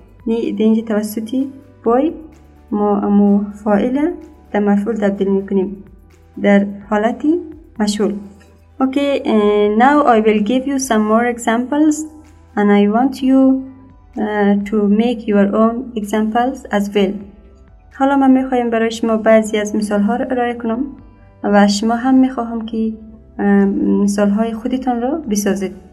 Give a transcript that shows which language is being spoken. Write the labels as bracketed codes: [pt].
[fa] یعنی در اینجا توسطی boy ما امو فاعل در مفعول تبدیل میکنیم در حالتی مجهول. [en] Okay, now I will give you some more examples and I want you to make your own examples as well. [fa] حالا من میخواهیم برای شما بعضی از مثال ها رو ارائه کنم و شما هم میخواهم که مثال های خودتان رو بسازید.